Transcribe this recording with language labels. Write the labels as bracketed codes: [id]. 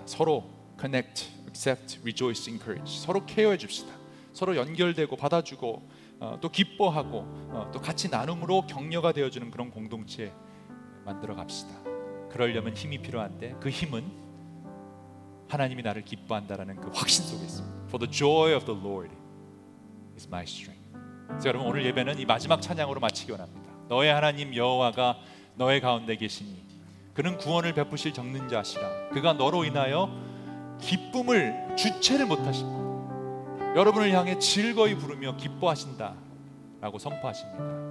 [ko] 서로 [en] connect, accept, rejoice, encourage, [ko] 서로 케어해 줍시다. 서로 연결되고 받아주고 또 기뻐하고 또 같이 나눔으로 격려가 되어주는 그런 공동체 만들어 갑시다. 그러려면 힘이 필요한데 그 힘은 하나님이 나를 기뻐한다라는 그 확신 속에 있습니다. [en] For the joy of the Lord is my strength. [ko] 그래서 여러분, 오늘 예배는 이 마지막 찬양으로 마치기 원합니다. 너의 하나님 여호와가 너의 가운데 계시니 그는 구원을 베푸실 적는 자시라. 그가 너로 인하여 기쁨을 주체를 못하십니다. 여러분을 향해 즐거이 부르며 기뻐하신다 라고 선포하십니다.